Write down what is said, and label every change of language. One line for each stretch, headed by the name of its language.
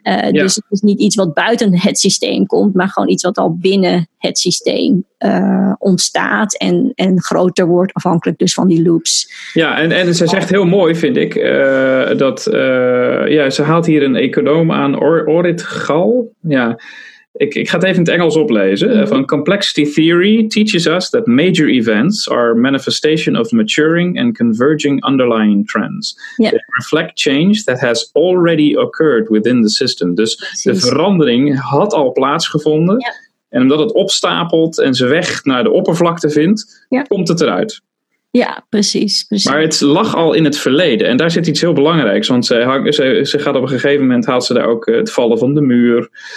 Dutch: Dus het is niet iets wat buiten het systeem komt, maar gewoon iets wat al binnen het systeem ontstaat en groter wordt, afhankelijk dus van die loops. Ja, en ze zegt heel mooi, vind ik, ze haalt hier een econoom aan, Orit Gal. Ja. Ik ga het even in het Engels oplezen.
English: Van complexity theory teaches us that major events are manifestation of maturing and converging underlying trends. Yep. They reflect change that has already occurred within the system.
Dutch: Dus precies, de verandering had al plaatsgevonden. Yep. En omdat het opstapelt en zijn weg naar de oppervlakte vindt, komt het eruit. Ja, precies, precies. Maar het lag al in het verleden. En daar zit iets heel belangrijks. Want ze gaat op een gegeven moment, haalt ze daar ook het vallen van de muur.